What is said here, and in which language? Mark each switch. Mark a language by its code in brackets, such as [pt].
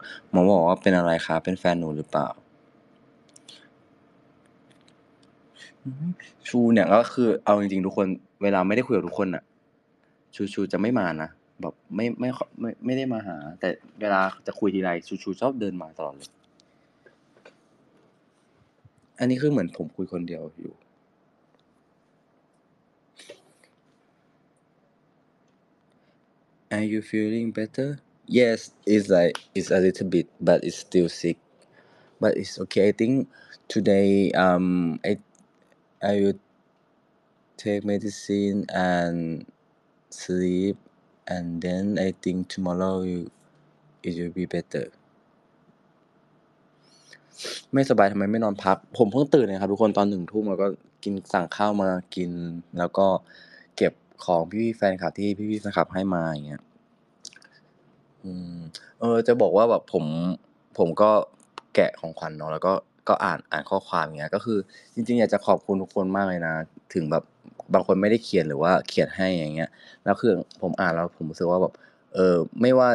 [th] หมอบอกว่าเป็นอะไรคะเป็นแฟนหนูหรือเปล่าชูเนี่ยก็คือเอาจริงๆทุกคนเวลาไม่ได้คุยกับทุกคนอะชูจะไม่มานะแบบไม่ได้มาหาแต่เวลาจะคุยทีไรชูชอบเดินมาตลอดเลยอันนี้คือเหมือนผมคุยคนเดียวอยู่ [en] Are you feeling better? Yes, it's a little bit, but it's still sick. But it's okay. I think today I will take medicine and sleep, and then I think tomorrow it will be better. [th] ไม่สบายทำไมไม่นอนพักผมเพิ่งตื่นเลยครับทุกคนตอน1ทุ่มแล้วก็กินสั่งข้าวมากินแล้วก็เก็บของพี่ๆแฟนคลับที่พี่ๆแฟนคลับให้มาอย่างเงี้ย จะบอกว่าแบบผมก็แกะของขวัญเนาะแล้วก็อ่านข้อความอย่างเงี้ยก็คือจริงๆอยากจะขอบคุณทุกคนมากเลยนะถึงแบบบางคนไม่ได้เขียนหรือว่าเขียนให้อย่างเงี้ยแล้วคือผมอ่านแล้วผมรู้สึกว่าแบบไม